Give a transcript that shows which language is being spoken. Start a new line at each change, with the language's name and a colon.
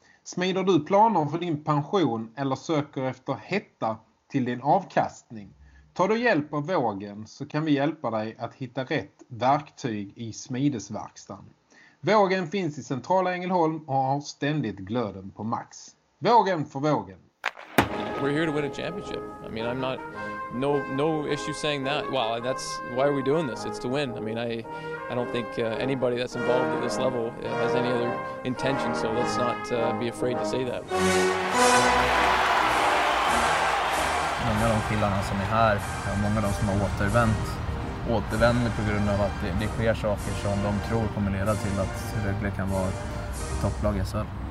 Swedish: Smider du planer för din pension eller söker efter hetta till din avkastning? Ta då hjälp av Vågen så kan vi hjälpa dig att hitta rätt verktyg i smidesverkstaden. Vågen finns i centrala Ängelholm och har ständigt glöden på max. Vågen för Vågen.
English: We're here to win a championship. I mean, I'm not no issue saying that. Well, that's why are we doing this? It's to win. I mean, I don't think anybody that's involved at this level has any other intention, so let's not be afraid to say that.
Swedish: Många av de killarna som är här, många av de som har återvänder på grund av att det sker saker som de tror kommer leda till att Rögle kan vara topplag i SHL.